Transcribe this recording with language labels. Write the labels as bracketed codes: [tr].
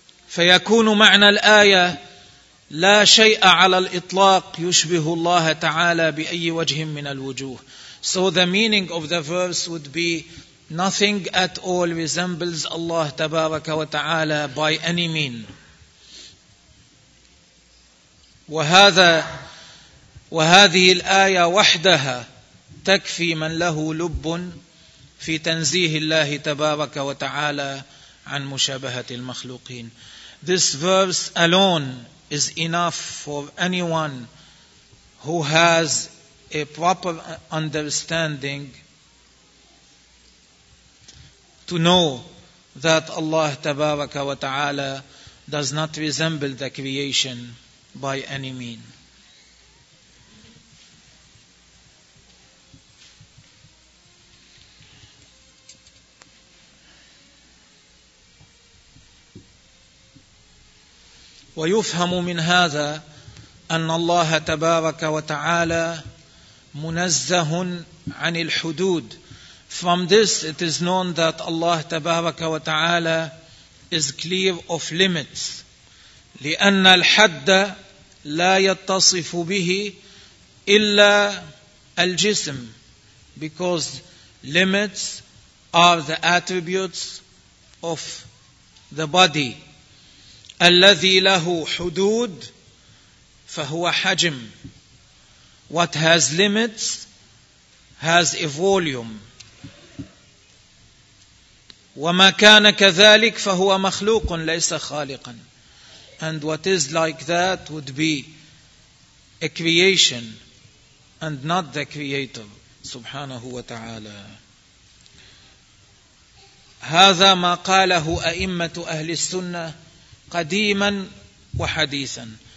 [ar] فيكون معنى الآية لا شيء على الإطلاق يشبه الله تعالى بأي وجه من الوجوه. [en] So the meaning of the verse would be nothing at all resembles Allah Tabaraka wa Ta'ala by any mean. [ar] وهذه الآية وحدها تكفي من له لب في تنزيه الله تبارك وتعالى عن مشابهة المخلوقين. [en] This verse alone is enough for anyone who has a proper understanding to know that Allah [ar] تبارك وتعالى [en] does not resemble the creation by any mean. [ar] ويفهم من هذا أن الله تبارك وتعالى منزه عن الحدود. [en] From this it is known that Allah [ar] تبارك وتعالى [en] is clear of limits. [ar] لأن الحد لا يتصف به إلا الجسم. [en] Because limits are the attributes of the body. [ar] الذي له حدود فهو حجم. [en] What has limits has a volume. [ar] وما كان كذلك فهو مخلوق ليس خالقا. [en] And what is like that would be a creation and not the creator [ar] سبحانه وتعالى. هذا ما قاله أئمة أهل السنة قديما وحديثا.